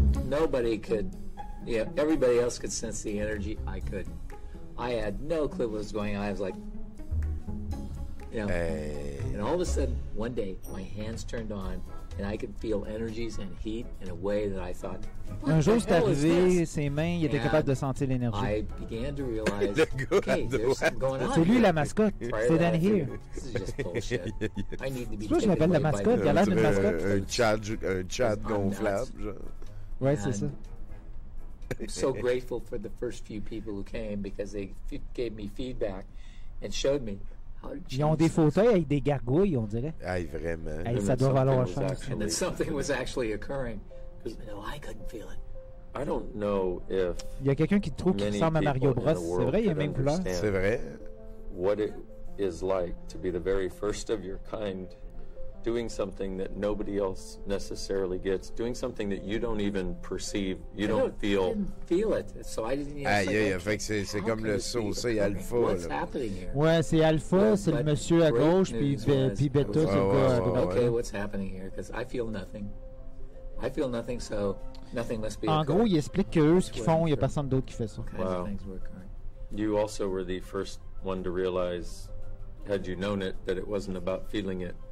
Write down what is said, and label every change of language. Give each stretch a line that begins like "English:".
English: Nobody could, yeah, everybody else could sense the energy, I could. I had no clue what was going on. I was like, you know, and all of a sudden, one day, my hands turned on. And I could feel energies and heat in a way that I thought.
French: Un jour, c'est arrivé, ses mains, il était capable de sentir l'énergie.
English: I began to realize, okay, there's something going on.
French: C'est lui la mascotte. C'est Dan Heer. Tu vois, je l'appelle la mascotte. Il a l'air d'une mascotte. Un chat gonflable. Ouais, c'est ça.
English: So grateful for the first few people who came because they gave me feedback and showed me.
French: Ils ont des fauteuils avec des gargouilles, on dirait. Ah, vraiment. Hey, ça doit valoir cher.
English: And that something was actually occurring, even though I couldn't feel it. I don't know if.
French: Il y a quelqu'un qui te trouve qui ressemble à Mario Bros. C'est vrai, il y a même couleur. C'est vrai.
English: What it is like to be the very first of your kind, doing something that nobody else necessarily gets, doing something that you don't even perceive, you don't feel. I didn't feel it, so I didn't even. Ah, yeah, yeah.
French: Fait que c'est comme le saut, c'est alpha.
English: What's happening here?
French: Ouais, c'est alpha, c'est le monsieur à gauche, puis bêta, c'est quoi?
English: Okay, what's happening here? Because I feel nothing. I feel nothing, so nothing must be.
French: En gros, il explique que eux, ce qu'ils font, il y a personne d'autre qui fait ça.
English: Wow. You also were the first one to realize. Had you known it, that it wasn't about feeling it.